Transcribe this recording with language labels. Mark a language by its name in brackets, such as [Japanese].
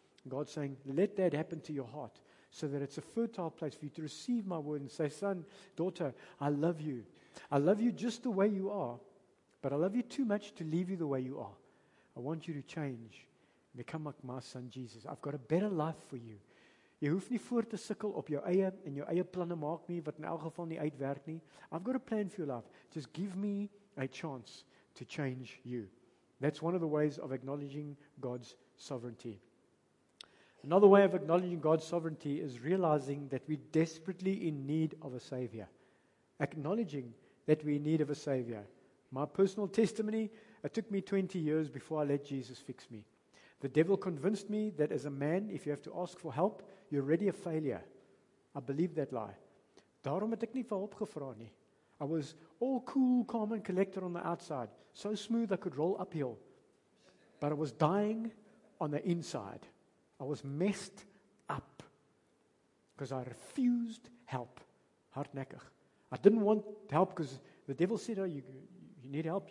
[English] God's saying, let that happen to your heart, so that it's a fertile place for you to receive my word and say, son, daughter, I love you. I love you just the way you are, but I love you too much to leave you the way you are. I want you to change. Become like my son, Jesus. I've got a better life for you. [Afrikaans] Jy hoef nie voort te sikkel op jou eie en jou eie planne maak nie, wat in elk geval nie uitwerk nie. [English] I've got a plan for your life. Just give me a chance to change you. That's one of the ways of acknowledging God's sovereignty. Another way of acknowledging God's sovereignty is realizing that we're desperately in need of a Savior. Acknowledging that we're in need of a Savior. My personal testimony, it took me 20 years before I let Jesus fix me. The devil convinced me that as a man, if you have to ask for help, you're already a failure. I believe that lie. [Afrikaans] Daarom het ek nie vir hulp gevra nie. [English] I was all cool, calm, and collected on the outside. So smooth I could roll uphill. But I was dying on the inside. I was messed up because I refused help. [Afrikaans] Hardnekkig. [English] I didn't want help because the devil said, oh, you need help.